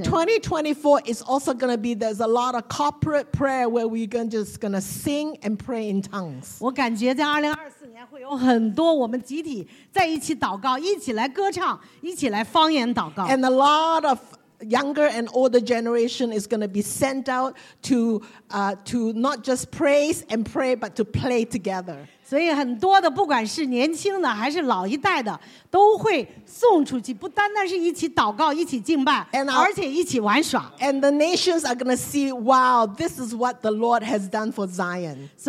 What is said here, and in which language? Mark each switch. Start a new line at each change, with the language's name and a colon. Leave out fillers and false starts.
English: And 2024 is also going to be there's a lot of corporate prayer where we're just going to sing and pray in tongues.
Chinese: 我感觉在2024年会有很多我们集体在一起祷告，一起来歌唱，一起来方言祷告。
English: And a lot of younger and older generation is going to be sent out to not just praise and pray but to play together.
Chinese: 所以很多的，不管是年轻的还是老一代的，都会送出去，不单单是一起祷告、一起敬拜，而且一起玩耍。
English: And the nations are going to see, wow, this is what the Lord has done for Zion.